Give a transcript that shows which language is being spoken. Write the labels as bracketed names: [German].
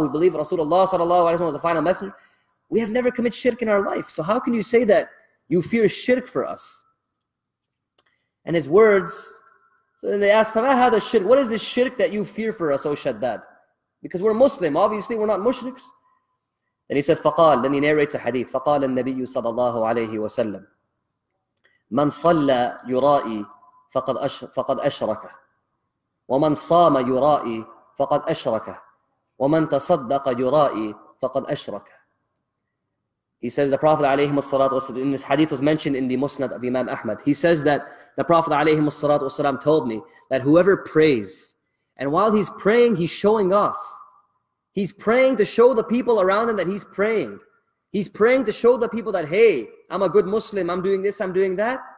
[English] We believe Rasulullah sallallahu alayhi wa sallam, the final messenger. We have never committed shirk in our life. So how can you say that you fear shirk for us? And his words, so then they ask, [Arabic] فَمَا هَذَا الشِّرْكِ, [English] what is this shirk that you fear for us, O Shaddad? Because we're Muslim, obviously we're not mushriks. Then he said, [Arabic] فَقَالَ, [English] then he narrates a hadith, [Arabic] فَقَالَ النَّبِيُّ صَلَى اللَّهُ عَلَيْهِ وَسَلَّمْ مَنْ صَلَّى يُرَائِي فَقَدْ أَشْرَكَ وَمَنْ صَامَ يُرَائِي فَقَدْ أَشْرَكَ وَمَنْ تَصَدَّقَ يُرَائِي فَقَدْ أَشْرَكَ. [English] He says the Prophet alayhi salatu wasalam, in this hadith was mentioned in the Musnad of Imam Ahmad. He says that the Prophet alayhi salatu wasalam told me that whoever prays, and while he's praying, he's showing off. He's praying to show the people around him that he's praying. He's praying to show the people that, hey, I'm a good Muslim, I'm doing this, I'm doing that.